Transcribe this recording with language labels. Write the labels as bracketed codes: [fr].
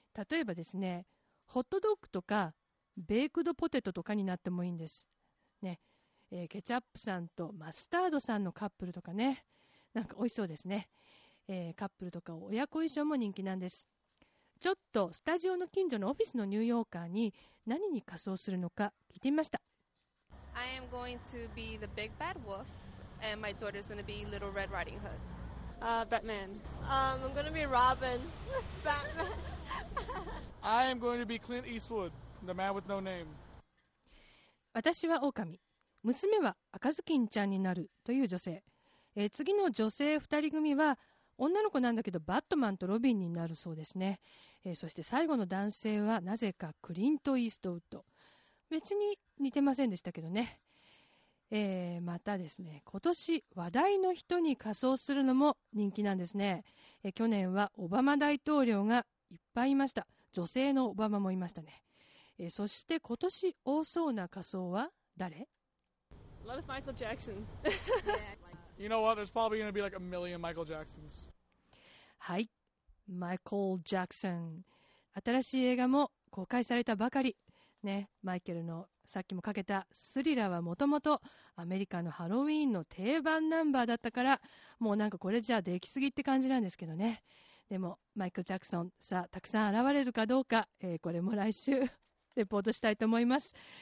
[ja] 例えばですね、ホットドッグとかベークドポテトとかになってもいいんですね。ケチャップさんとマスタードさんのカップルとかね、なんか美味しそうですね。カップルとか親子衣装も人気なんです。ちょっとスタジオの近所のオフィスのニューヨーカーに何に仮装するのか聞いてみました。 [en] I am going to be the big bad wolf and my daughter is going to be Little Red Riding Hood. Batman. I'm going to be Robin. Batman. I am going to be Clint Eastwood, the man with no name. [ja] 私は狼、娘は赤ずきんちゃんになるという女性。次の女性2人組は女の子なんだけど、バットマンとロビンになるそうですね。そして最後の男性はなぜかクリント・イーストウッド。別に似てませんでしたけどね。またですね、今年話題の人に仮装するのも人気なんですね。去年はオバマ大統領がいっぱいいました。女性のオバマもいましたね。そして今年多そうな仮装は誰？ [en] A lot of Michael Jackson. You know what? There's probably going to be like a million Michael Jacksons. [ja] はい、Michael Jackson。新しい映画も公開されたばかり。ね、マイケルのさっきもかけたスリラーはもともとアメリカのハロウィーンの定番ナンバーだったから、もうなんかこれじゃできすぎって感じなんですけどね。でもマイクル・ジャクソン、さあたくさん現れるかどうか、これも来週レポートしたいと思います。